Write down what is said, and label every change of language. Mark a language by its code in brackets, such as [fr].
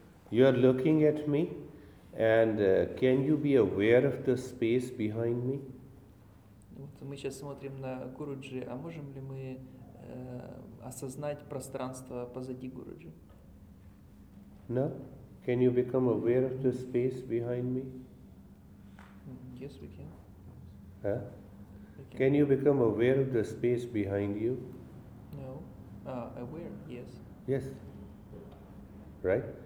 [en] You are looking at me, and can you be aware of the space behind me? [ru] Мы сейчас смотрим на Гуруджи, а можем ли мы осознать пространство позади Гуруджи? [en] No. Can you become aware of the space behind me? Yes, we can. Huh? Can you become aware of the space behind you? No. Aware? Yes. Yes. Right?